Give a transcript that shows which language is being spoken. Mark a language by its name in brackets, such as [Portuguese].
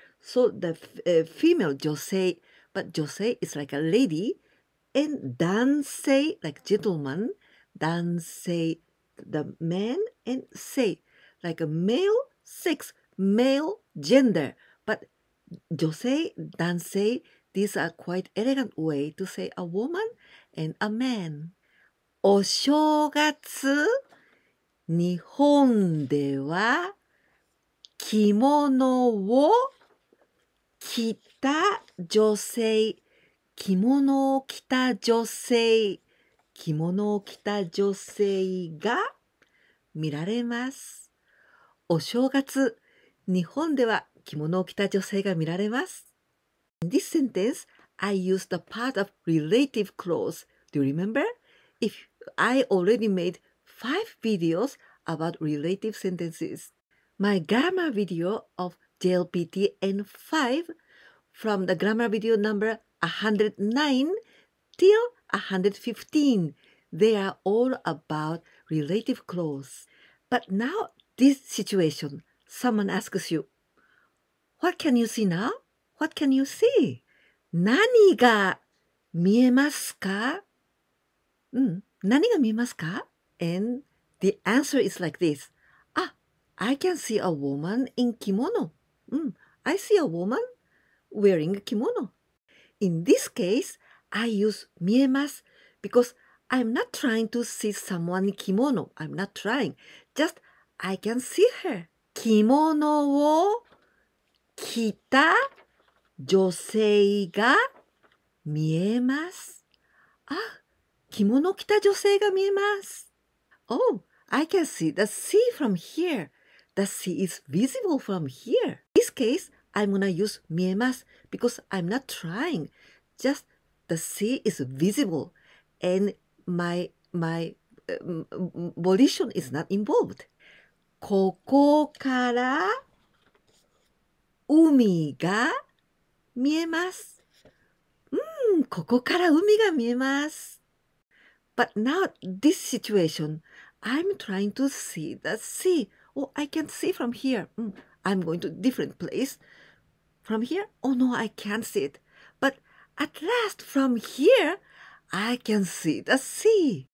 [English] So the female 女性, but 女性 is like a lady, and 男性 like gentleman, 男性 the man, and 性 like a male sex, male gender. But 女性, 男性, these are quite elegant way to say a woman and a man. [Japanese] お正月日本では着物を着た女性、着物を着た女性着物を着た女性が見られます。お正月、日本では着物を着た女性が見られます。 [English] In this sentence, I used the part of relative clause. Do you remember? If I already made 5 videos about relative sentences. My grammar video of JLPT N5 from the grammar video number 109 till 115. They are all about relative clause. But now, this situation, someone asks you, what can you see now? What can you see? [Japanese] 何が見えますか? 何が見えますか? [English] And the answer is like this. Ah, I can see a woman in kimono. I see a woman wearing a kimono. In this case, I use 見えます because I'm not trying to see someone in kimono. I'm not trying. Just, I can see her. [Japanese] 着物を着た女性が見えます。あ、着物を着た女性が見えます。 [English] Oh, I can see the sea from here. The sea is visible from here. In this case, I'm gonna use 見えます because I'm not trying. Just the sea is visible and my volition is not involved. [Japanese] ここから海が見えます。ここから海が見えます。 [English] But now, this situation, I'm trying to see the sea. Oh, I can't see from here. I'm going to a different place. From here? Oh, no, I can't see it. But at last, from here, I can see the sea.